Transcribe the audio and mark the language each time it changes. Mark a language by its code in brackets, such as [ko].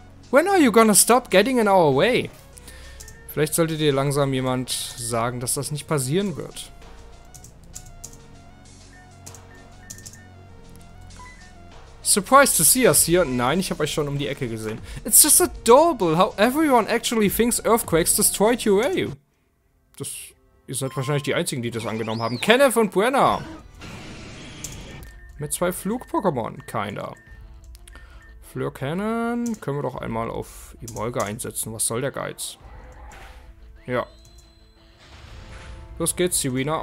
[en] When are you gonna stop getting in our way? [de] Vielleicht sollte dir langsam jemand sagen, dass das nicht passieren wird. [en] Surprised to see us here? [de] Nein, ich habe euch schon um die Ecke gesehen. [en] It's just adorable how everyone actually thinks earthquakes destroyed Yureyu. [de] Das, ihr seid wahrscheinlich die einzigen, die das angenommen haben. Kenneth und Brenna! Mit zwei Flug-Pokémon, kinda. Fleur Cannon können wir doch einmal auf Emolga einsetzen. Was soll der Geiz? Ja. Los geht's, Siwina.